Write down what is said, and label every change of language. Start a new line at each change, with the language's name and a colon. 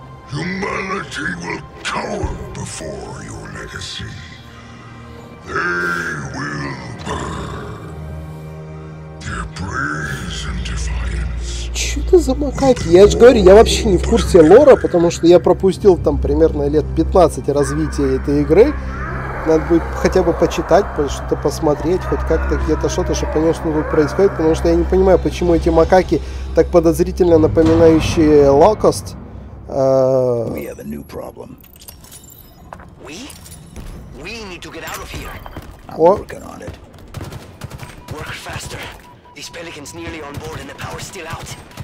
English: Humanity will cower before your legacy. They will burn. Their praise and defiance.
Russian: Чё ты за макаки? Я же говорю, я вообще не в курсе лора, потому что я пропустил там примерно лет 15 развития этой игры. Надо будет хотя бы почитать, что-то посмотреть, хоть как-то где-то что-то, чтобы понять, что тут происходит. Потому что я не понимаю, почему эти макаки, так подозрительно напоминающие Локост,
English: We have a new problem. We need to get out of here. I'm working on it. Work faster. These pelicans nearly on board and the power's still out.